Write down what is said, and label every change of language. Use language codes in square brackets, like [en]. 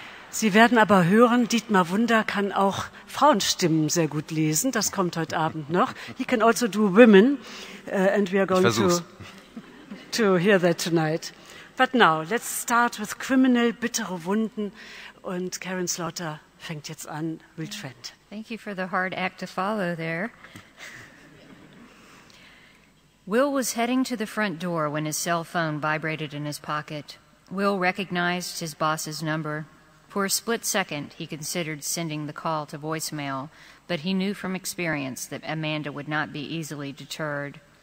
[de] Sie werden aber hören, Dietmar Wunder kann auch Frauenstimmen sehr gut lesen. Das kommt heute Abend noch. [en] He can also do women, and we are going to hear that tonight. But now, let's start with Criminal, bittere Wunden. [de] Und Karen Slaughter fängt jetzt an, Real Trend. [en] Thank you for the hard act to follow there. Will was heading to the front door when his cell phone vibrated in his pocket. Will recognized his boss's number. For a split second, he considered sending the call to voicemail, but he knew from experience that Amanda would not be easily deterred.